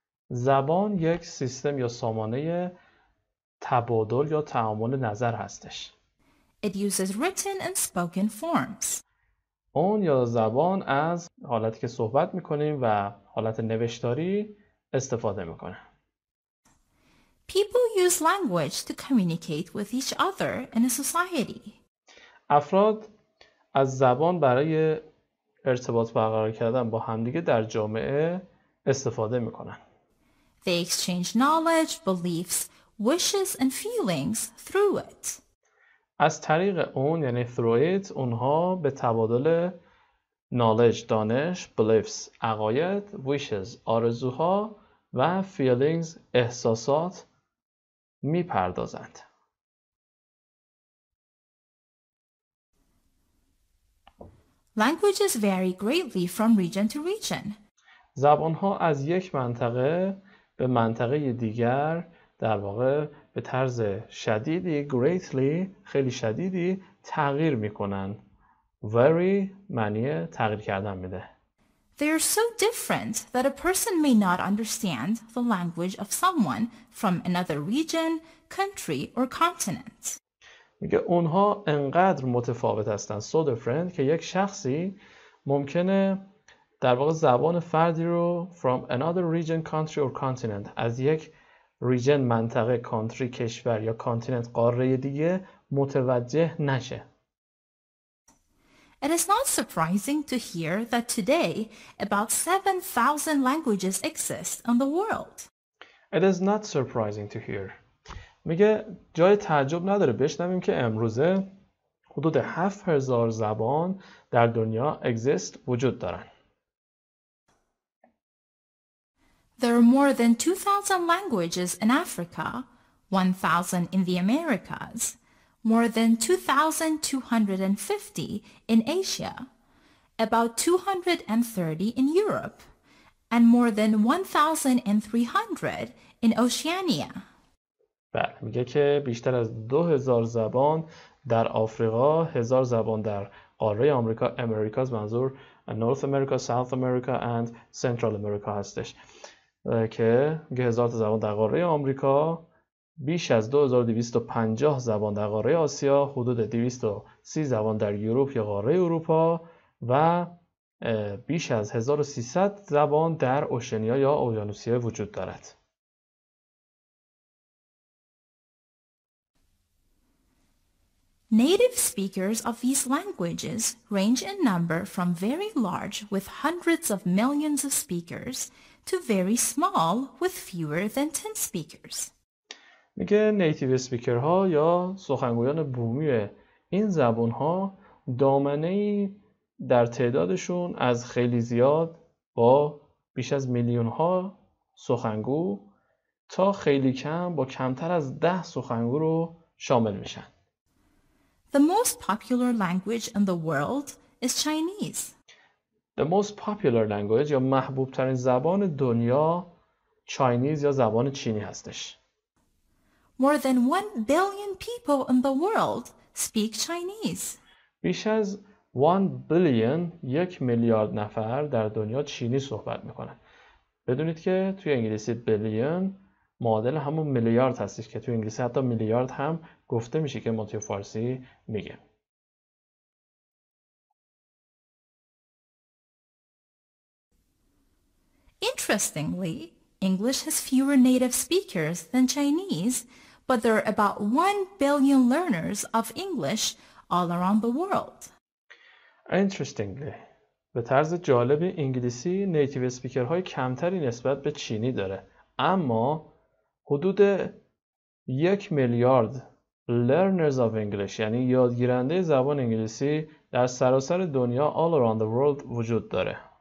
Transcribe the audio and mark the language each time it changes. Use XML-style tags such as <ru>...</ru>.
<fa>زبان یک سیستم یا سامانه تبادل یا تعامل نظر هستش.</fa> <en>It uses written and spoken forms.</en> <fa>اون یا زبان از حالتی که صحبت می‌کنیم و حالت نوشتاری استفاده می‌کنه.</fa> <en>People use language to communicate with each other in a society.</en> <fa>افراد از زبان برای ارتباط برقرار کردن با همدیگه در جامعه استفاده میکنن.</fa> <en>They exchange knowledge, beliefs, wishes and feelings through it.</en> <fa>از طریق اون یعنی</fa> <en>through it</en> <fa>اونها به تبادل knowledge دانش, beliefs عقاید, wishes آرزوها و feelings احساسات می پردازند.</fa> <en>Languages vary greatly from region to region.</en> <fa>زبان‌ها از یک منطقه به منطقه دیگر در واقع به طرز شدیدی greatly خیلی شدیدی تغییر می‌کنند. Vary معنی تغییر کردن میده.</fa> <en>They are so different that a person may not understand the language of someone from another region, country, or continent.</en> <fa>میگه اونها انقدر متفاوت هستن so different که یک شخصی ممکنه در واقع زبان فردی رو</fa> <en>from another region, country, or continent</en> <fa>از یک region منطقه country کشور یا continent قاره دیگه متوجه نشه.</fa> <en>It is not surprising to hear that today about 7,000 languages exist in the world. It is not surprising to hear.</en> <fa>میگه جای تعجب نداره بشنویم که امروزه حدود 7,000 زبان در دنیا exist وجود دارن.</fa> <en>There are more than 2,000 languages in Africa, 1,000 in the Americas. More than 2,250 in Asia, about 230 in Europe, and more than 1,300 in Oceania.</en> <fa>بله، میگه که بیشتر از 2,000 زبان در آفریقا، 1,000 زبان در قاره آمریکا، امریکاز منظور نورث امریکا، ساوث امریکا اند سنترال امریکا هستش، که 1,000 زبان در قاره آمریکا، بیش از 2250 زبان در قاره آسیا، حدود 230 زبان در یوروپ یا قاره اروپا و بیش از 1300 زبان در اوشنیا یا اقیانوسیه وجود دارد.</fa> <en>Native speakers of these languages range in number from very large with hundreds of millions of speakers to very small with fewer than 10 speakers.</en> <fa>میگه نیتیو اسپیکرها یا سخنگویان بومی این زبانها دامنه‌ای در تعدادشون از خیلی زیاد با بیش از میلیون‌ها سخنگو تا خیلی کم با کمتر از 10 سخنگو رو شامل میشن.</fa> <en>The most popular language in the world is Chinese. The most popular language</en> <fa>یا محبوب ترین زبان دنیا چاینیز یا زبان چینی هستش.</fa> <en>More than 1 billion people in the world speak Chinese.</en> <fa>بیش از 1 billion یک میلیارد نفر در دنیا چینی صحبت میکنن. بدونید که توی انگلیسی billion معادل همون میلیارد هستش که توی انگلیسی حتی میلیارد هم گفته میشه که ما توی فارسی میگه.</fa> <en>Interestingly, English has fewer native speakers than Chinese, but there are about 1 billion learners of English all around the world.</en> <fa>Interestingly, به طرز جالبی انگلیسی نیتیو اسپیکرهای کمتری نسبت به چینی داره، اما حدود 1 میلیارد</fa> <en>learners of English</en> <fa>یعنی یادگیرنده زبان انگلیسی در سراسر دنیا</fa> <en>all around the world</en> <fa>وجود داره.</fa>